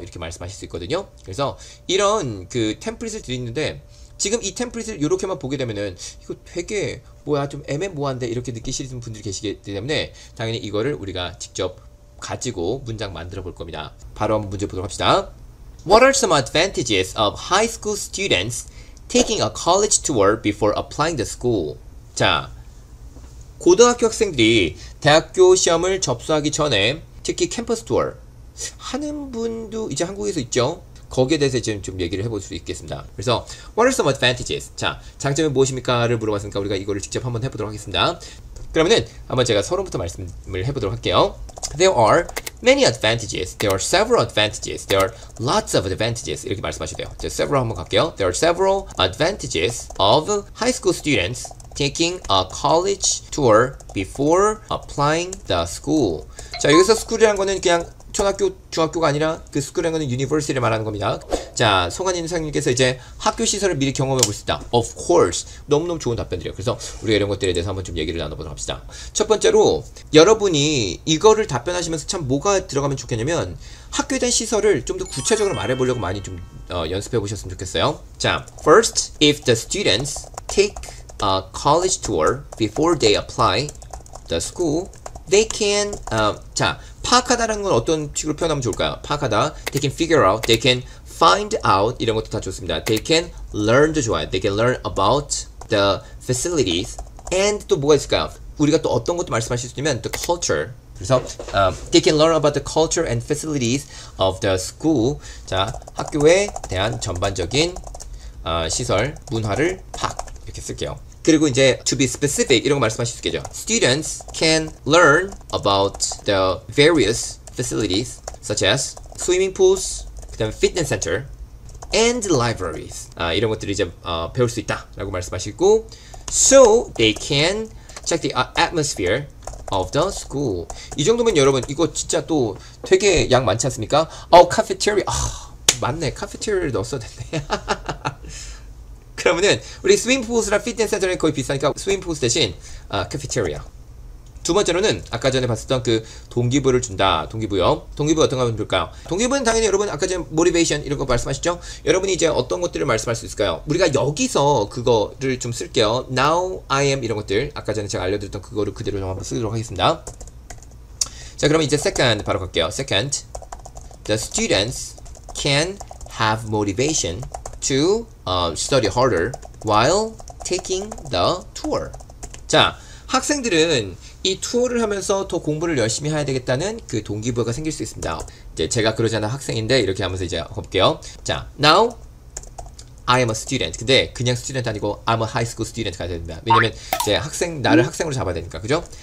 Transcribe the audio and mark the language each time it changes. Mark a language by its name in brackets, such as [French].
[Korean] 이렇게 말씀하실 수 있거든요. 그래서 이런 그 템플릿을 드리는데 지금 이 템플릿을 이렇게만 보게 되면은 이거 되게 뭐야 좀 애매모호한데 이렇게 느끼시는 분들이 계시기 때문에 당연히 이거를 우리가 직접 가지고 문장 만들어 볼 겁니다. 바로 한번 문제 보도록 합시다. [English] What are some advantages of high school students taking a college tour before applying the school? [Korean] 자, 고등학교 학생들이 대학교 시험을 접수하기 전에 특히 캠퍼스 투어 하는 분도 이제 한국에서 있죠? 거기에 대해서 지금 좀 얘기를 해볼 수 있겠습니다. 그래서 [English] What are some advantages? [Korean] 자, 장점이 무엇입니까?를 물어봤으니까 우리가 이거를 직접 한번 해보도록 하겠습니다. 그러면은 한번 제가 서론부터 말씀을 해보도록 할게요. [English] There are many advantages. There are several advantages. There are lots of advantages. [Korean] 이렇게 말씀하셔도 돼요. 이제 several 한번 갈게요. [English] There are several advantages of high school students taking a college tour before applying the school. [Korean] 자, 여기서 school이라는 거는 그냥 초등학교, 중학교가 아니라 그 school이라는 거는 university를 말하는 겁니다. 자, 송한인 선생님께서 이제 학교 시설을 미리 경험해 볼 수 있다. [English] Of course. [Korean] 너무너무 좋은 답변들이에요. 그래서 우리가 이런 것들에 대해서 한번 좀 얘기를 나눠보도록 합시다. 첫 번째로 여러분이 이거를 답변하시면서 참 뭐가 들어가면 좋겠냐면 학교에 대한 시설을 좀 더 구체적으로 말해보려고 많이 좀 연습해 보셨으면 좋겠어요. 자, [English] first, if the students take a college tour before they apply the school, they can, [Korean] 자, 파악하다라는 건 어떤 식으로 표현하면 좋을까요? 파악하다, [English] they can figure out, they can find out [Korean] 이런 것도 다 좋습니다. [English] They can learn도 [Korean] 좋아요. [English] They can learn about the facilities. And [Korean] 또 뭐가 있을까요? 우리가 또 어떤 것도 말씀하실 수 있냐면 [English] the culture. [Korean] 그래서 [English] they can learn about the culture and facilities of the school. [Korean] 자, 학교에 대한 전반적인 시설, 문화를 파악 이렇게 쓸게요. 그리고 이제 [English] to be specific [Korean] 이런 거 말씀하실 수 있겠죠. [English] Students can learn about the various facilities such as swimming pools, [Korean] 그 다음 [English] fitness center, and libraries. [Korean] 아, 이런 것들을 이제 배울 수 있다 라고 말씀하시고 [English] so they can check the atmosphere of the school. [Korean] 이 정도면 여러분 이거 진짜 또 되게 양 많지 않습니까? 어, cafeteria. 아, 맞네. cafeteria를 넣었어야 됐네. 그러면은 우리 스윙풀스랑 피트니스 센터는 거의 비슷하니까 스윙풀스 대신 카페테리아. 두 번째로는 아까 전에 봤었던 그 동기부여를 준다. 동기부여. 동기부여 어떤 거 하면 좋을까요? 동기부여는 당연히 여러분 아까 전에 모티베이션 이런 거 말씀하셨죠? 여러분이 이제 어떤 것들을 말씀할 수 있을까요? 우리가 여기서 그거를 좀 쓸게요. [English] Now, I am [Korean] 이런 것들. 아까 전에 제가 알려드렸던 그거를 그대로 좀 한번 쓰도록 하겠습니다. 자, 그러면 이제 second 바로 갈게요. [English] Second, the students can have motivation to study harder while taking the tour. [Korean] 자, 학생들은 이 투어를 하면서 더 공부를 열심히 해야 되겠다는 그 동기부여가 생길 수 있습니다. 이제 제가 그러지 않은 학생인데 이렇게 하면서 이제 볼게요. 자, [English] now I am a student. [Korean] 근데 그냥 student 아니고 [English] I'm a high school student가 돼야 됩니다. [Korean] 왜냐면 이제 학생 나를 학생으로 잡아야 되니까, 그죠?